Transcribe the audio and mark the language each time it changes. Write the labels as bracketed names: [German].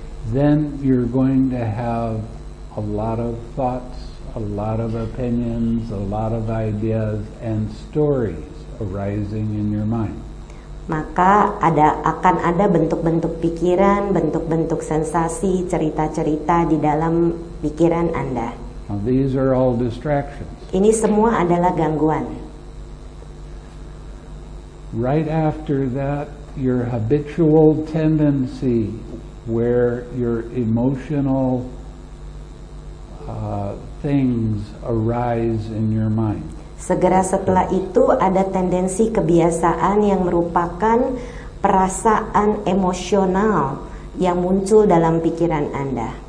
[English] then you're going to have a lot of thoughts, a lot of opinions, a lot of ideas and stories arising in your mind. [Indonesian] Maka akan ada bentuk-bentuk pikiran, bentuk-bentuk sensasi, cerita-cerita di dalam pikiran Anda. [English] Now these are all distractions. [Indonesian] Ini semua adalah gangguan. [English] Right after that, your habitual tendency where your emotional things arise in your mind. [Indonesian] Segera setelah itu ada tendensi kebiasaan yang merupakan perasaan emosional yang muncul dalam pikiran Anda.